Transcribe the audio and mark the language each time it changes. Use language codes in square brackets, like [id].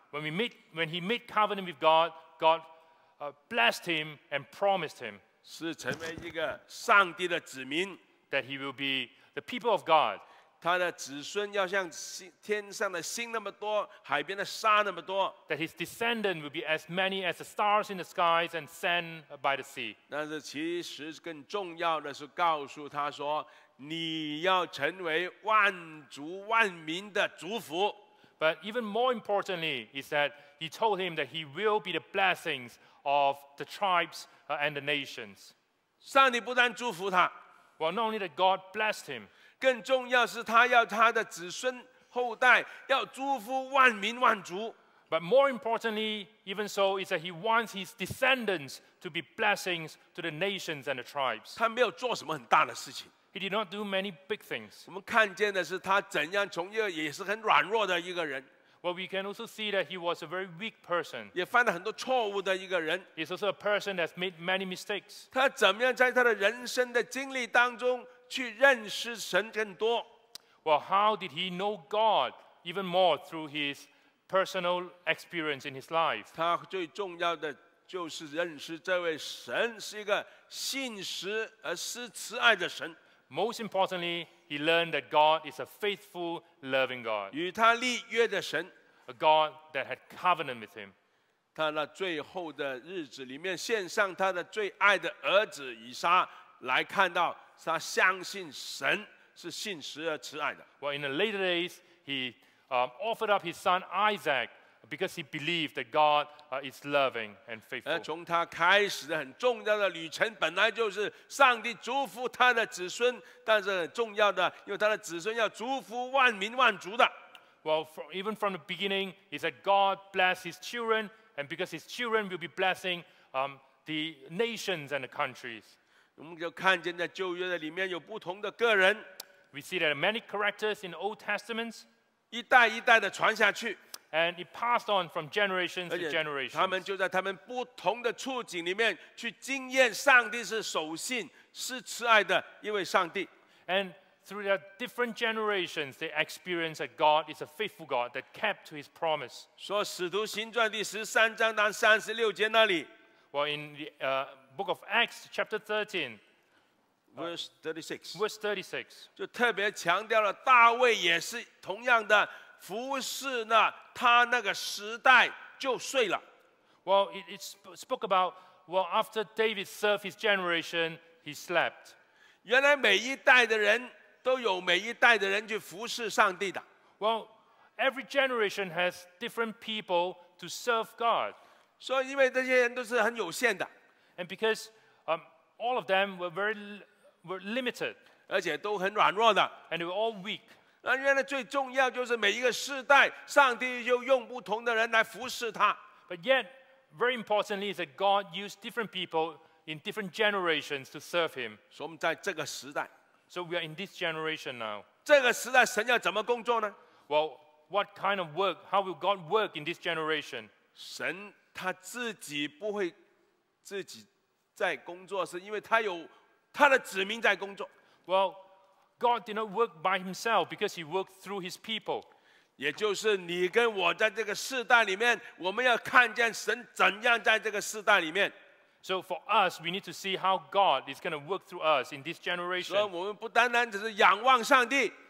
[en] When he made covenant with God, God blessed him and promised him. [zh] 是成为一个上帝的子民。 [en] That he will be the people of God. [zh] 他的子孙要像天上的星那么多，海边的沙那么多。 [en] That his descendant will be as many as the stars in the skies and sand by the sea. [zh] 但是其实更重要的是告诉他说，你要成为万族万民的祝福。 [en] But even more importantly is that he told him that he will be the blessings of the tribes and the nations. [zh] 上帝不但祝福他， [en] Well, not only that God blessed him, [zh] 更重要是他要他的子孙后代要祝福万民万族。 [en] But more importantly, even so, is that he wants his descendants to be blessings to the nations and the tribes. [zh] 他没有做什么很大的事情。 [en] He did not do many big things. [zh] 我们看见的是他怎样从一个也是很软弱的一个人。 [en] Well, we can also see that he was a very weak person. [zh] 也犯了很多错误的一个人。 [en] He's also a person that's made many mistakes. [zh] 他怎么样在他的人生的经历当中去认识神更多？ [en] Well, how did he know God even more through his personal experience in his life? [zh] 他最重要的就是认识这位神是一个信实而施慈爱的神。 [en] Most importantly, he learned that God is a faithful, loving God. [zh] 与他立约的神， [en] a God that had covenant with him. [zh] 他那最后的日子里面献上他的最爱的儿子以撒，来看到他相信神是信实而慈爱的。 [en] Well, in the later days, he offered up his son Isaac because he believed that God is loving and faithful. [zh] 从他开始的很重要的旅程本来就是上帝祝福他的子孙，但是很重要的，因为他的子孙要祝福万民万族的。 [en] Well, even from the beginning, he said God bless his children, and because his children will be blessing the nations and the countries. [zh] 我们就看见在旧约的里面有不同的个人。 [en] We see that many characters in the Old Testament. [zh] 一代一代的传下去。 [en] And it passed on from generation to generation. [zh] 他们就在他们不同的处境里面去经验上帝是守信、是慈爱的一位上帝。 [en] And through their different generations, they experienced that God is a faithful God that kept to His promise. [zh] 说《使徒行传》第十三章到三十六节那里。 [en] Well, in the book of Acts, chapter 13, verse 36, [zh] 就特别强调了大卫也是同样的。服侍呢，他那个时代就睡了。 [en] Well, it spoke about, well, after David served his generation, he slept. [zh] 原来每一代的人都有每一代的人去服侍上帝的。 [en] Well, every generation has different people to serve God. [zh] 所以因为这些人都是很有限的。 [en] And because all of them were limited. [zh] 而且都很软弱的。 [en] And they were all weak. [zh] 那原来最重要就是每一个世代，上帝就用不同的人来服侍他。 [en] But yet, very importantly, is that God used different people in different generations to serve Him. [zh] 所以我们在这个时代。 [en] So we are in this generation now. [zh] 这个时代神要怎么工作呢？ [en] Well, what kind of work? How will God work in this generation? [zh] 神他自己不会自己在工作，是因为他有他的子民在工作。 [en] Well. God did not work by himself because he worked through his people. [zh] 也就是你跟我在这个世代里面，我们要看见神怎样在这个世代里面。 [en] So for us, we need to see how God is going to work through us in this generation. [zh] 所以我们不单单只是仰望上帝。